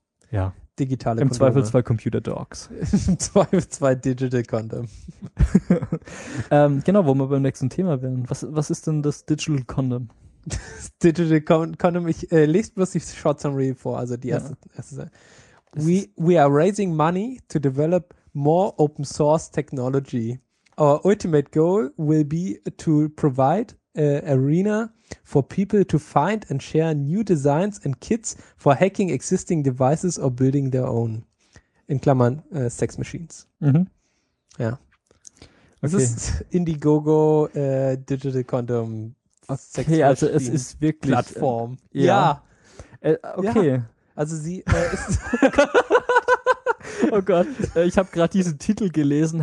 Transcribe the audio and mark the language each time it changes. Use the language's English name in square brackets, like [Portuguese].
[German] Ja. Digitale Kondome. Im Zweifel zwei Computer Dogs. Im Zweifel zwei Digital Condom. genau, wo wir beim nächsten Thema wären. Was ist denn das Digital Condom? Das Digital Condom, ich lese bloß die Short Summary vor, also die erste. Ja. Erste. [English] We are raising money to develop more open source technology. Our ultimate goal will be to provide arena for people to find and share new designs and kits for hacking existing devices or building their own. [German] In Klammern, Sex Machines. Mhm. Ja. Okay. Das ist Indiegogo Digital Condom Sex Machine. Okay, also es ist wirklich Plattform. Ja. Okay. Ja. Also sie ist Oh Gott. Ich habe gerade diesen Titel gelesen.